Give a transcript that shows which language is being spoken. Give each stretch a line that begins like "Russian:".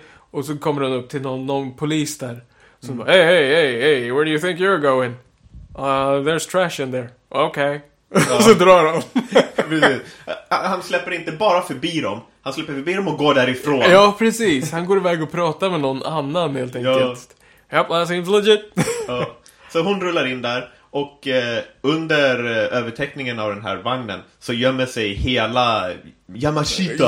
Swedish: Och så kommer hon upp till någon polis där. Som bara,
English: hey, where do you think you're going? There's trash in there. Okay.
Swedish: Ja. Så drar hon. Han släpper inte bara förbi dem. Han släpper förbi dem och går därifrån. Ja, precis. Han går iväg och pratar med någon annan helt enkelt.
English: Ja. Yep, that seems legit.
Swedish: Så hon rullar in där. Och under överteckningen av den här vagnen så gömmer sig hela Yamashita.